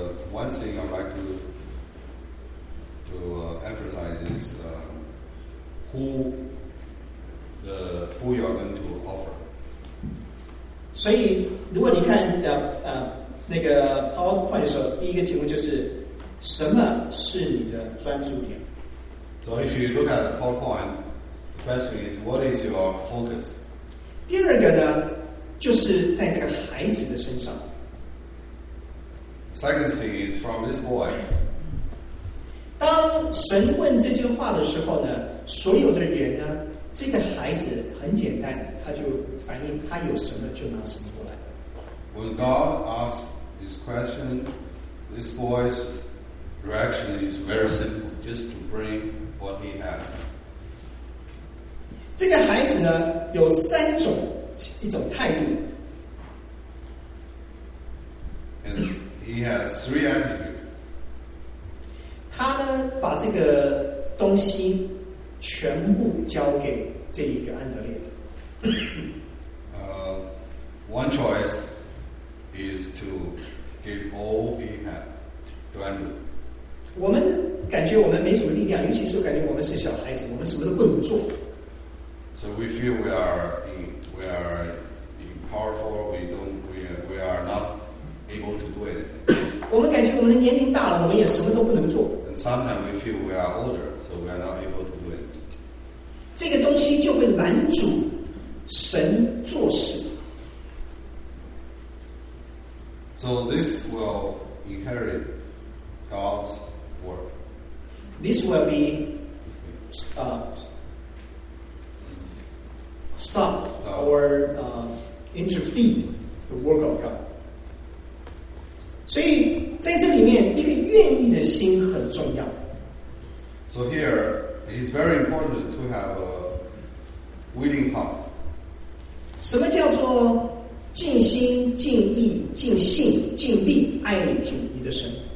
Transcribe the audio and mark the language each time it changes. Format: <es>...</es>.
<en>One thing I'd like to emphasize is who you are going to offer.</en> <zh>所以如果你看那个 PowerPoint 的时候，第一个题目就是什么是你的专注点。</zh> <en>So if you look at the PowerPoint, the question is what is your focus?</en> <zh>第二个呢就是在这个孩子的身上。</zh> <en>Second thing is from this boy.</en> <zh>当神问这句话的时候呢，所有的人呢，这个孩子很简单，他就反应他有什么就拿什么过来。</zh> <en>When God asks this question, this boy's reaction is very simple, just to bring what he has.</en> <zh>这个孩子呢有三种一种态度。</zh> <en>And he has three attitudes.</en> <zh>他呢把这个东西全部交给这一个安德烈。</zh> <en>One choice is to give all he had to Andrew.</en> <zh>我们感觉我们没什么力量，尤其是感觉我们是小孩子，我们什么都不能做。</zh> <en>So we feel we are powerful. We are not able to do it.</en> <zh>我们感觉我们的年龄大了，我们也什么都不能做。</zh> <en>And sometimes we feel we are older, so we are not able to do it.</en> <zh>这个东西就会拦阻神做事。</zh> <en>So this will inherit God's work. This will be stop or interfere the work of God.</en> <zh>所以在这里面，一个愿意的心很重要。</zh> <en>So here it's very important to have a willing heart.</en> <zh>什么叫做尽心尽意尽性尽力爱主你的神。</zh>